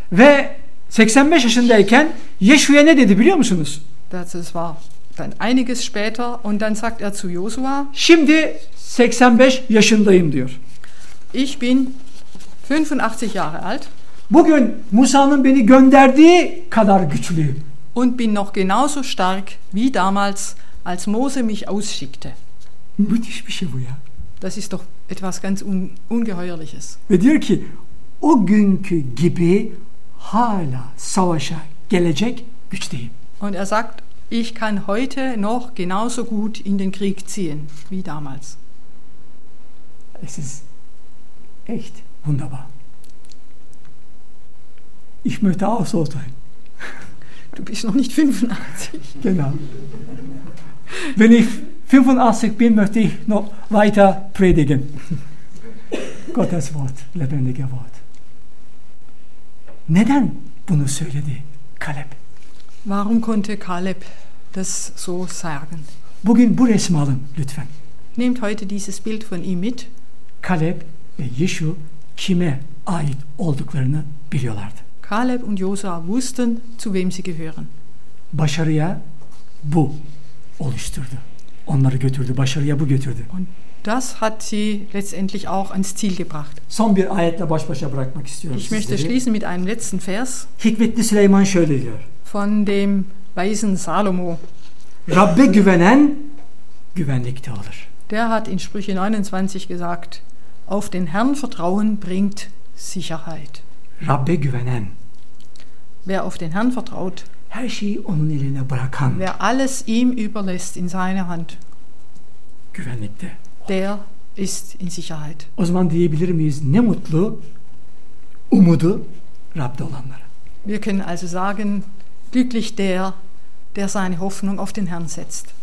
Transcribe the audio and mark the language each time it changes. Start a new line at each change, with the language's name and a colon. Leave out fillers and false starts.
Turkish: Ve 85 yaşındayken Yeşua ne dedi biliyor musunuz?
German: Das war dann einiges später und dann sagt zu Josua.
Turkish: Şimdi 85 yaşındayım diyor.
German: Ich bin 85 Jahre alt.
Turkish: Bugün Musa'nın beni gönderdiği kadar güçlüyüm.
German: Und bin noch genauso stark wie damals, als Mose mich ausschickte.
Turkish: Müthiş bir şey bu ya.
German: Das ist doch etwas ganz ungeheuerliches.
Turkish: Ve diyor ki, o günkü gibi hala savaşa gelecek güçteyim.
German: Und sagt, ich kann heute noch genauso gut in den Krieg ziehen wie damals. Es ist echt wunderbar. Ich möchte auch so sein. Du bist noch nicht 85. Genau. Wenn ich 85 bin, möchte ich noch weiter predigen. Gottes Wort, lebendiger Wort.
Turkish: Neden bunu söyledi Kaleb?
German: Warum konnte Kaleb das so sagen?
Turkish: Bugün bu resmi alın lütfen.
German: Nehmt heute dieses Bild von ihm mit.
Turkish: Kaleb ve Yeşu kime ait olduklarını biliyorlardı.
German: Kaleb und Josua wussten, zu wem sie gehören.
Turkish: Başarıya bu oluşturdu. Onları götürdü, başarıya bu götürdü.
German: Und das hat sie letztendlich auch ans Ziel gebracht.
Turkish: Son bir ayetle baş başa bırakmak istiyorum
German: ich
Turkish: sizleri.
German: Ich möchte schließen mit einem letzten Vers.
Turkish: Hikmetli Süleyman şöyle diyor.
German: Von dem weisen Salomo.
Turkish: Rabbe güvenen güvenlikte olur.
German: Der hat in Sprüche 29 gesagt, auf den Herrn vertrauen bringt Sicherheit.
Turkish: Rabbe güvenen.
German: Wer auf den Herrn vertraut,
Turkish: her şeyi onun eline bırakan,
German: wer alles ihm überlässt in seine Hand,
Turkish: güvenlikte,
German: der ist in Sicherheit.
Turkish: O zaman diyebilir miyiz, ne mutlu umudu Rab'de olanlara.
German: Wir können also sagen, glücklich der, der seine Hoffnung auf den Herrn setzt.